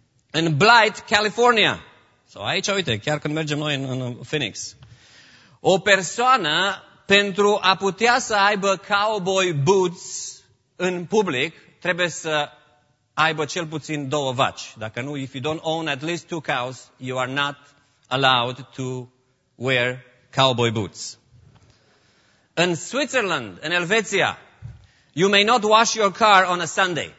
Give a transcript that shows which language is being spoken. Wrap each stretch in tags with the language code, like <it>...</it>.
<ro>În Blythe, California. Sau aici, uite, chiar când mergem noi în Phoenix. O persoană, pentru a putea să aibă cowboy boots în public, trebuie să aibă cel puțin 2 vaci. Dacă nu,</ro> <en>if you don't own at least 2 cows, you are not allowed to wear cowboy boots.</en> <ro>În Switzerland, în Elveția,</ro> <en>you may not wash your car on a Sunday.</en>